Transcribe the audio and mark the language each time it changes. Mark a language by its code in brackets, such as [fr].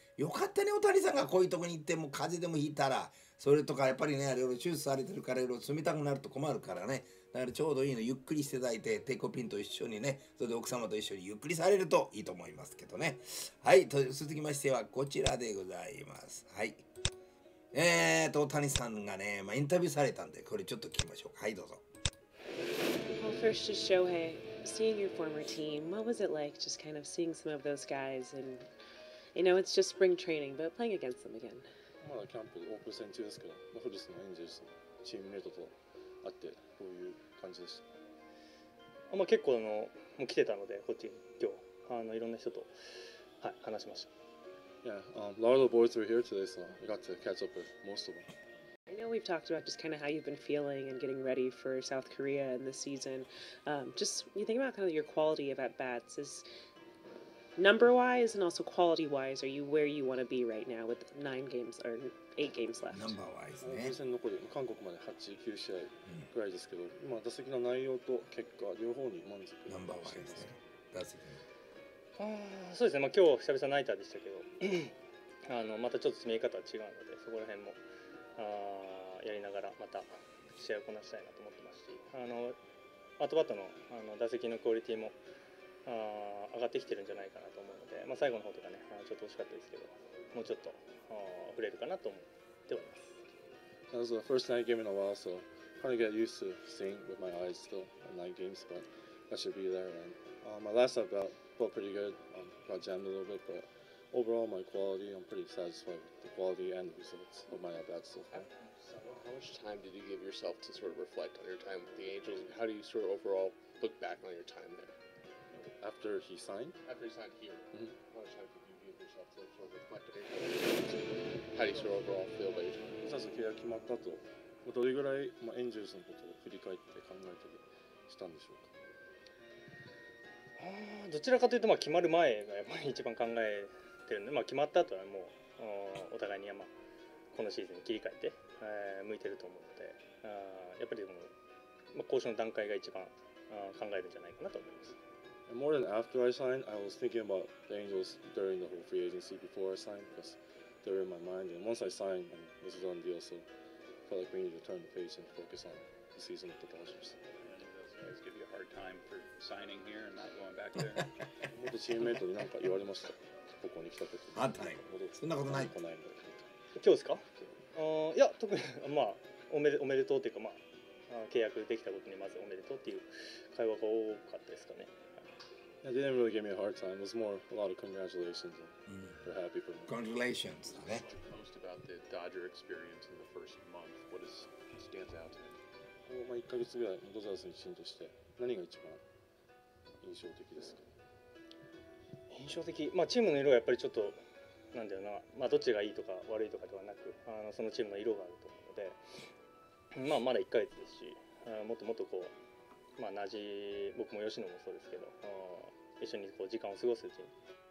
[ja] よかったね、大谷さんがこういうとこに行っても風邪でもひいたら。それとかやっぱりね、いろいろ手術されてるから、いろいろ冷たくなると困るからね。だからちょうどいいの、ゆっくりしていただいて、テコピンと一緒にね、それで奥様と一緒にゆっくりされるといいと思いますけどね。はい、と続きましてはこちらでございます。はい、大谷さんがね、まあ、インタビューされたんで、これちょっと聞きましょうか。はい、どうぞ。 [en] Well, first to Shohei, seeing your former team, what was it like just kind of seeing some of those guys and, you know, it's just spring training, but playing against them again? [ja] まだキャンプオープン戦中ですけど、まあ、フルスのエンジェルスのチームメイトと会って、こういう感じでした。あ、まあ、結構あのもう来てたので、こっちに今日あのいろんな人と、はい、話しました。 [en] Yeah, a lot of the boys were here today, so I got to catch up with most of them. I know we've talked about just kind of how you've been feeling and getting ready for South Korea in this season. Just you think about kind of your quality of at bats, is number wise and also quality wise, are you where you want to be right now with nine games or eight games left? Number wise, [ja] ね。残り韓国まで8、9試合ぐらいですけど、まあ打席の内容と結果両方に満足。 [en] Number wise, [ja] ね。打席。あ、そうですね、まあ、今日久々ナイターでしたけど、あのまたちょっと見え方は違うので、そこら辺もあやりながらまた試合をこなしたいなと思ってますし、あのアートバット の打席のクオリティもあ上がってきてるんじゃないかなと思うので、まあ、最後の方とかね、ちょっと惜しかったですけど、もうちょっとあ触れるかなと思っております。 [en] That was the first night game in a while, so kind of get used to seeing with my eyes still on nine games, but that should be there. And、my last aboutFelt pretty good. Got jammed a little bit, but overall, my quality, I'm pretty satisfied with the quality and the results of my at-bats so far. How much time did you give yourself to sort of reflect on your time with the Angels? How do you sort of overall look back on your time there? After he signed? After he signed here. How much time did you give yourself to sort of reflect on your time? How do you sort of overall feel about your time? [ja] 早速契約決まった後、どれぐらい、まあ、Angels のことを振り返って考えたりしたんでしょうか？どちらかというと、まあ決まる前がやっぱり一番考えてるんで、まあ決まった後はもうお互いにまあこのシーズンに切り替えて向いてると思うので、やっぱりもう交渉の段階が一番考えるんじゃないかなと思います。 [en] More than after I signed, I was thinking about the Angels during the whole free agency before I signed, because they were in my mind, and once I signed and it was a done deal, so I felt like we needed to turn the page and focus on the season with the Dodgers. Guys give you a hard time for signing here and not going back there. [ja] もっとチームメイトに何か言われました。ここに来た時に。あんたね。そんなことない。今日ですか？いや、特に、まあ、おめでとうっていうか、まあ、契約できたことにまずおめでとうっていう会話が多かったですかね。 [en] They didn't really give me a hard time. It was more a lot of congratulations and they're happy for me. Congratulations. What is most about the Dodger experience in the first month? What stands out to you? [ja] まあ、1ヶ月ぐらいドジャースの一員として何が一番印象的ですか？印象的、まあ、チームの色がやっぱりちょっとなんだよな、まあ、どっちがいいとか悪いとかではなく、あのそのチームの色があると思うので、まあ、まだ1ヶ月ですし、もっともっとこう、まあ、なじ僕も吉野もそうですけど、一緒にこう時間を過ごすチーム。